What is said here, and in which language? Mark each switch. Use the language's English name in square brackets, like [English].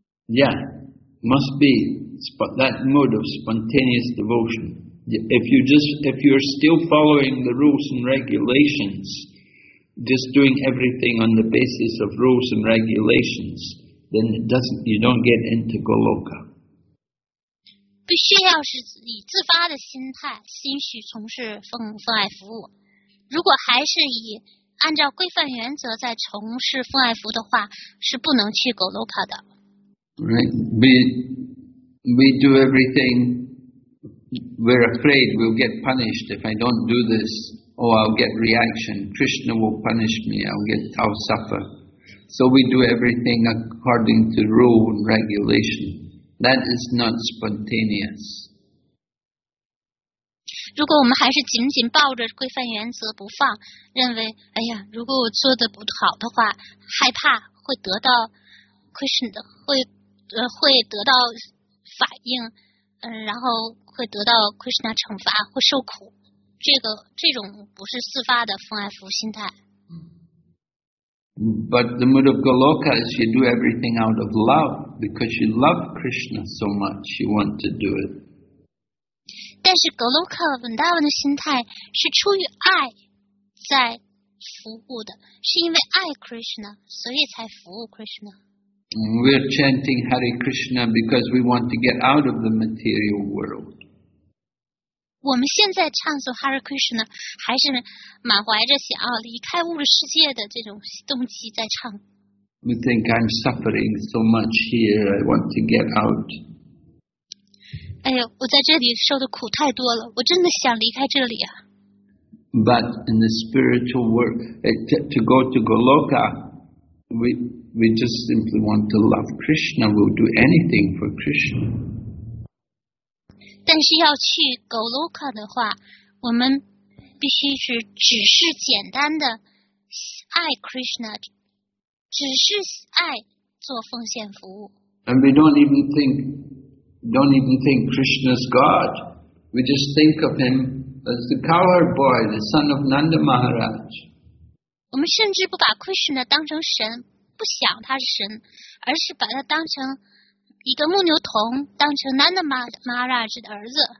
[English] Yeah, must be that mode of spontaneous devotion. If you're still following the rules and regulations. Just doing everything on the basis of rules and regulations, then you don't get into Goloka. [Chinese] 必须要是以自发的心态，心许从事奉爱服务。如果还是以按照规范原则在从事奉爱服务的话，是不能去Goloka的。 [English] Right, we do everything. We're afraid we'll get punished if I don't do this. Oh, I'll get reaction. Krishna will punish me. I'll suffer. So we do everything according to rule and regulation. That is not spontaneous. [Chinese] 如果我们还是紧紧抱着规范原则不放，认为哎呀，如果我做的不好的话，害怕会得到 Krishna 的会得到反应，然后会得到 Krishna 惩罚，会受苦。这种不是自发的奉爱服务心态。 [English] But the mood of Goloka is you do everything out of love because you love Krishna so much you want to do it. [Chinese] 但是 Goloka Vrindavan 的心态是出于爱在服务的，是因为爱 Krishna 所以才服务 Krishna. [English] We're chanting Hare Krishna because we want to get out of the material world. [Chinese] 我们现在唱诵 Hare Krishna 还是满怀着想要离开物质世界的这种动机在唱。 [English] We think I'm suffering so much here. I want to get out. [Chinese] 哎呦，我在这里受的苦太多了，我真的想离开这里啊。 [English] But in the spiritual world, to go to Goloka, we just simply want to love Krishna. We'll do anything for Krishna. [Chinese] 但是要去 Goloka 的话，我们必须是只是简单的爱 Krishna， 只是爱做奉献服务。 [English] And we don't even think Krishna's God. We just think of him as the cowherd boy, the son of Nanda Maharaj. [Chinese] 我们甚至不把 Krishna 当成神，不想他是神，而是把他当成一个牧牛童，当成南的马拉之的儿子。